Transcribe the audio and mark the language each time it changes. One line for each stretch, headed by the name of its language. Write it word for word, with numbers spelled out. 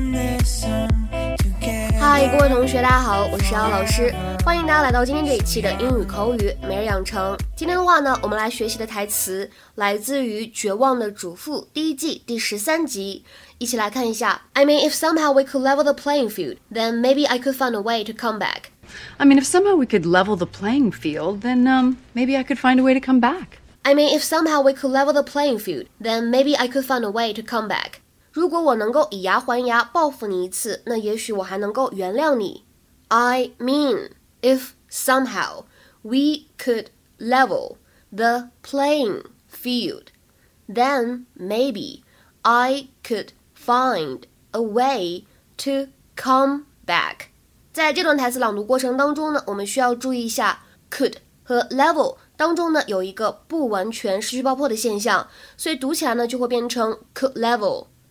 Chinese: 各位同学，大家好，我是姚老师，欢迎大家来到今天这一期的英语口语每日养成。今天的话呢，我们来学习的台词来自于《绝望的主妇》第一季第十三集，一起来看一下。
English: I mean, if somehow we could level the playing field, then maybe I could find a way to come back. I mean, if somehow we could level the playing field, then um, maybe I could find a way to come back. I mean, if somehow we could level the playing field, then maybe I could find a way to come back.
Chinese: 如果我能够以牙还牙报复你一次，那也许我还能够原谅你。
English: I mean, if somehow we could level the playing field, then maybe I could find a way to come back.
Chinese: 在这段台词朗读过程当中呢，我们需要注意一下 could 和 level 当中呢有一个不完全失去爆破的现象，所以读起来呢就会变成 could level.